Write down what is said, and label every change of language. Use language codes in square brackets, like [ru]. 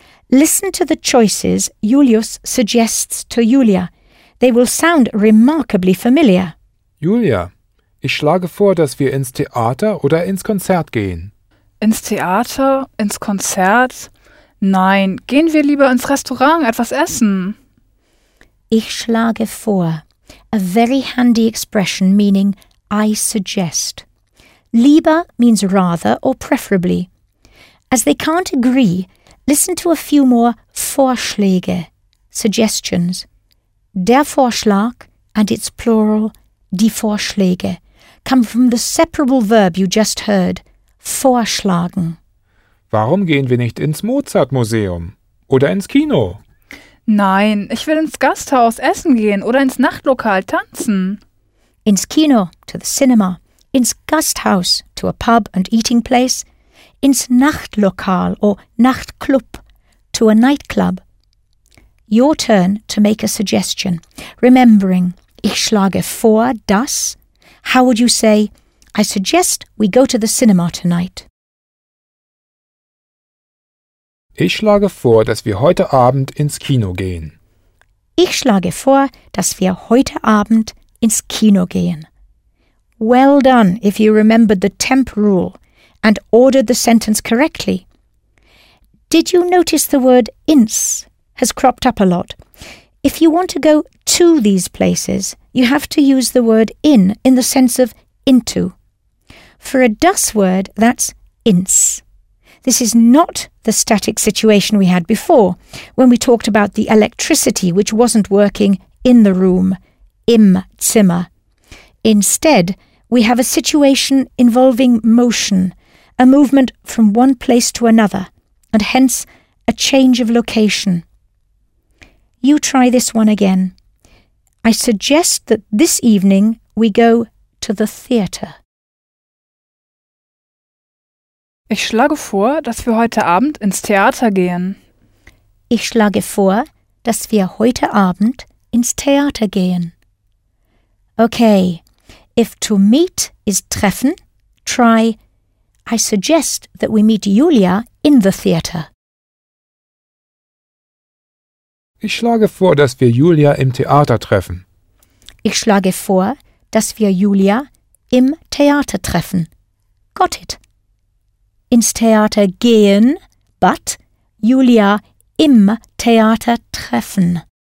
[en] Listen to the choices Julius suggests to Julia. They will sound remarkably familiar. [de] Julia, ich schlage vor, dass wir ins Theater oder ins Konzert gehen. Ins Theater? Ins Konzert? Nein, gehen wir lieber ins Restaurant, etwas essen. Ich schlage vor. [en] A very handy expression meaning I suggest. Lieber means rather or preferably. As they can't agree, listen to a few more Vorschläge, suggestions. Der Vorschlag and its plural, die Vorschläge, come from the separable verb you just heard, vorschlagen. [de] Warum gehen wir nicht ins Mozartmuseum oder ins Kino? Nein, ich will ins Gasthaus essen gehen oder ins Nachtlokal tanzen. Ins Kino, [en] to the cinema. [de] Ins Gasthaus, [en] to a pub and eating place. [de] Ins Nachtlokal or Nachtclub, [en] to a nightclub. Your turn to make a suggestion. Remembering, [de] ich schlage vor, das. [en] How would you say, I suggest we go to the cinema tonight? [de] Ich schlage vor, dass wir heute Abend ins Kino gehen. Ich schlage vor, dass wir heute Abend ins Kino gehen. [en] Well done if you remembered the temp rule and ordered the sentence correctly. Did you notice the word ins has cropped up a lot? If you want to go to these places, you have to use the word in the sense of into. For a das word, that's ins. This is not the static situation we had before, when we talked about the electricity which wasn't working in the room, [de] im Zimmer. [en] Instead, we have a situation involving motion, a movement from one place to another, and hence a change of location. You try this one again. I suggest that this evening we go to the theater. [de] Ich schlage vor, dass wir heute Abend ins Theater gehen. Ich schlage vor, dass wir heute Abend ins Theater gehen. [en] Okay, if to meet is treffen, try I suggest that we meet Julia in the theater. [de] Ich schlage vor, dass wir Julia im Theater treffen. Ich schlage vor, dass wir Julia im Theater treffen. [en] Got it. [de] Ins Theater gehen, [en] but [de] Julia im Theater treffen.